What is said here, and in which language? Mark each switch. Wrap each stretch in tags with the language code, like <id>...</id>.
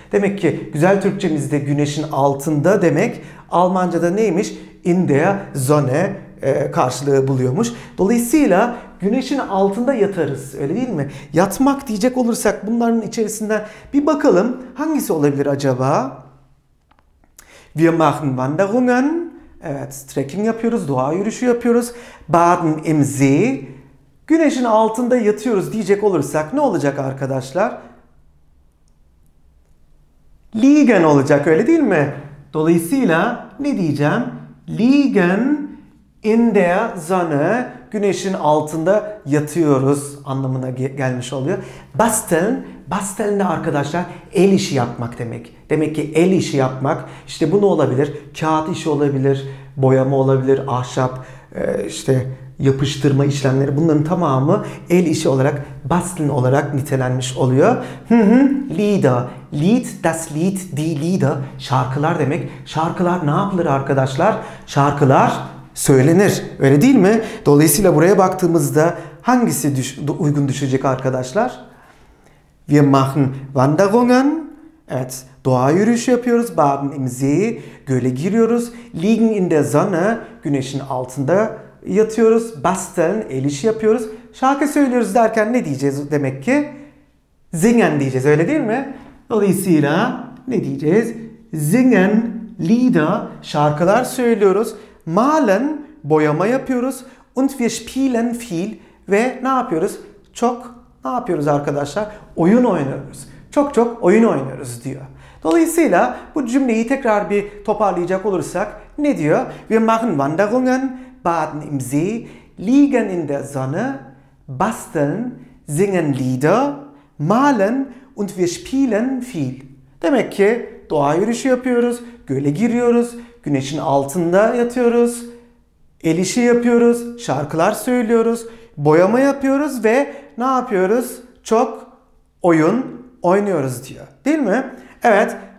<tr>Demek ki güzel Türkçemizde güneşin altında demek Almanca'da neymiş?</tr> <de>In der Sonne</de> <tr>karşılığı buluyormuş. Dolayısıyla güneşin altında yatarız. Öyle değil mi? Yatmak diyecek olursak bunların içerisinden bir bakalım hangisi olabilir acaba?</tr> <de>Wir machen Wanderungen.</de> <tr>Evet, trekking yapıyoruz, doğa yürüyüşü yapıyoruz.</tr> <de>Baden im See.</de> <tr>Güneşin altında yatıyoruz diyecek olursak ne olacak arkadaşlar? Liegen olacak, öyle değil mi? Dolayısıyla ne diyeceğim?</tr> <de>Liegen in der Sonne,</de> <tr>güneşin altında yatıyoruz anlamına gelmiş oluyor. Basteln, basteln de arkadaşlar el işi yapmak demek. Demek ki el işi yapmak, işte bu ne olabilir? Kağıt işi olabilir, boyama olabilir, ahşap, işte yapıştırma işlemleri, bunların tamamı el işi olarak, basteln olarak nitelenmiş oluyor. Lieder, Lied, das Lied, die Lieder, şarkılar demek. Şarkılar ne yapılır arkadaşlar? Şarkılar söylenir, öyle değil mi? Dolayısıyla buraya baktığımızda hangisi uygun düşecek arkadaşlar? Wir machen Wanderungen. Evet, doğa yürüyüşü yapıyoruz.</tr> <de>Baden im See,</de> <tr>göle giriyoruz.</tr> <de>Liegen in der Sonne,</de> <tr>güneşin altında yatıyoruz. Basteln, el işi yapıyoruz. Şarkı söylüyoruz derken ne diyeceğiz demek ki? Singen diyeceğiz, öyle değil mi? Dolayısıyla ne diyeceğiz? Singen, Lieder, şarkılar söylüyoruz. Malen, boyama yapıyoruz.</tr> <de>Und wir spielen viel.</de> <tr>Ve ne yapıyoruz? Çok ne yapıyoruz arkadaşlar? Oyun oynuyoruz. Çok çok oyun oynuyoruz diyor. Dolayısıyla bu cümleyi tekrar bir toparlayacak olursak ne diyor?</tr> <de>Wir machen Wanderungen, baden im See, liegen in der Sonne, basteln, singen Lieder, malen und wir spielen viel.</de> <tr>Demek ki doğa yürüyüşü yapıyoruz, göle giriyoruz, güneşin altında yatıyoruz, el işi yapıyoruz, şarkılar söylüyoruz, boyama yapıyoruz ve ne yapıyoruz? Çok oyun oynuyoruz diyor. Değil mi? Evet.</tr>